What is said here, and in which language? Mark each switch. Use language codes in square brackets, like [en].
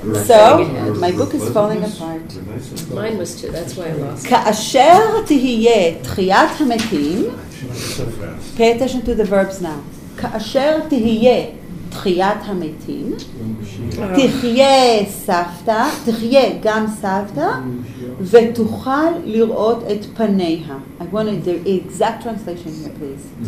[en] So, my book is falling apart. Mine was too, that's why I lost it. [he] כאשר תהיה תחיית המתים, [en] pay attention to the verbs now. [he] כאשר תהיה תחיית המתים, תחיה סבתא, תחיה גם סבתא, ותוכל לראות את פניה. [en] I want the exact translation here, please.